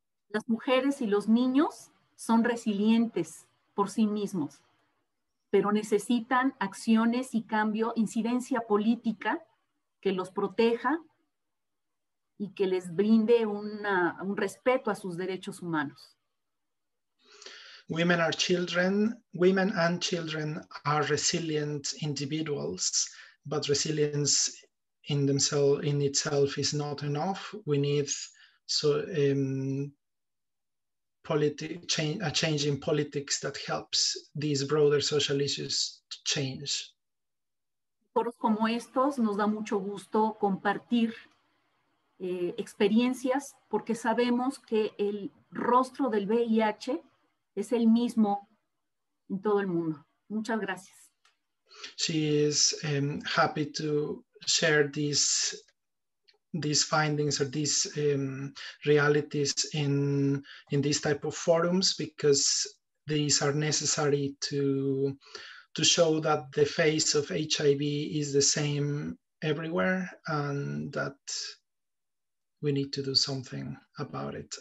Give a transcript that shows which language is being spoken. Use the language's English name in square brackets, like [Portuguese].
[Spanish] Las mujeres y los niños son resilientes por sí mismos, pero necesitan acciones y cambio, incidencia política que los proteja y que les brinde un respeto a sus derechos humanos. [English] Women are children, women and children are resilient individuals, but resilience in itself is not enough. We need a change in politics that helps these broader social issues to change. [Spanish] Foros como estos nos da mucho gusto compartir experiencias, porque sabemos que el rostro del VIH es el mismo en todo el mundo. Muchas gracias. [English] She is happy to share these findings or these realities in these type of forums, because these are necessary to show that the face of HIV is the same everywhere and that we need to do something about it.